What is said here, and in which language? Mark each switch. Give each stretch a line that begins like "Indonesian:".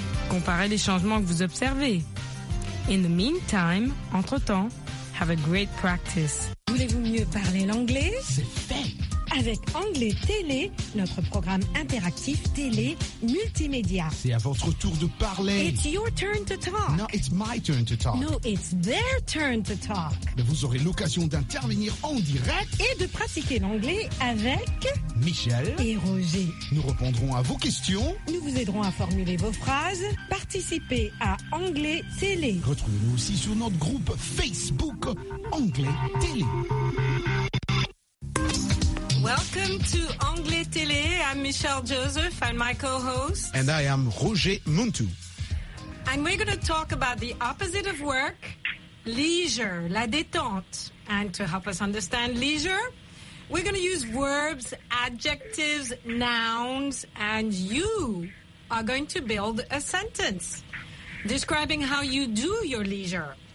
French: Comparez les changements que vous observez.
English: In the meantime,
French: entre-temps,
English: have a great practice.
French: Voulez-vous mieux parler l'anglais? C'est fait! Avec Anglais Télé, notre programme interactif télé multimédia. C'est à votre tour de parler.
English: It's your turn to talk. No, it's my turn to talk. No, it's their turn to talk.
French: Mais vous aurez l'occasion d'intervenir en direct. Et de pratiquer l'anglais avec... Michel. Et Roger. Nous répondrons à vos questions. Nous vous aiderons à formuler vos phrases. Participez à Anglais Télé. Retrouvez-nous aussi sur notre groupe Facebook Anglais Télé.
English: Welcome to Anglais Télé. I'm Michelle Joseph. I'm my co-host. And I am Roger Muntou. And we're going to talk about the opposite of work, leisure, la détente. And to help us understand leisure, we're going to use verbs, adjectives, nouns, and you are going to build a sentence describing how you do your leisure.